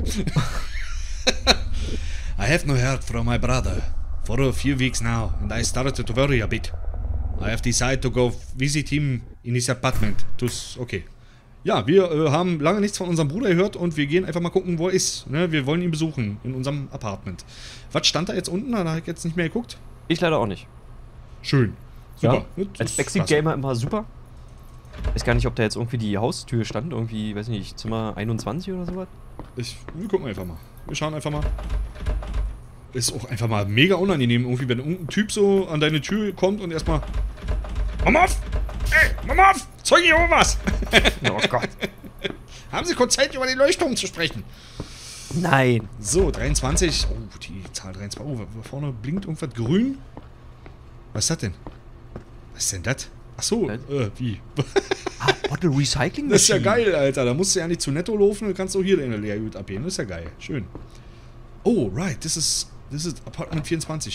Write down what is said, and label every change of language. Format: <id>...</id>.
<en>I have no heart from my brother for a few weeks now, and I started to worry a bit. I have decided to go visit him in his apartment. Okay.</en> <de>Ja, wir haben lange nichts von unserem Bruder gehört und wir gehen einfach mal gucken, wo er ist. Ne? Wir wollen ihn besuchen in unserem Apartment. Was stand da jetzt unten? Da habe ich jetzt nicht mehr geguckt. Ich leider auch nicht. Schön. Super. Ja, als Backseat-Gamer immer super. Weiß gar nicht, ob da jetzt irgendwie die Haustür stand. Irgendwie, weiß nicht, Zimmer 21 oder sowas. Wir gucken einfach mal. Wir schauen einfach mal. Ist auch einfach mal mega unangenehm, irgendwie, wenn ein Typ so an deine Tür kommt und erstmal. Mama auf! Ey, Mama auf! Zeugen hier was! Oh Gott! Haben Sie kurz Zeit, über die Leuchtturm zu sprechen? Nein! So, 23. Oh, die Zahl 23. Oh, vorne blinkt irgendwas grün. Was ist das denn? Was ist denn das? Achso, wie?</de> <en>Ah, Bottle Recycling</en> <de>Das ist ja geil, Alter. Da musst du ja nicht zu Netto laufen und kannst auch hier deine Leergut abheben. Das ist ja geil. Schön.</de> <en>Oh, right, this is Apartment 24.</en>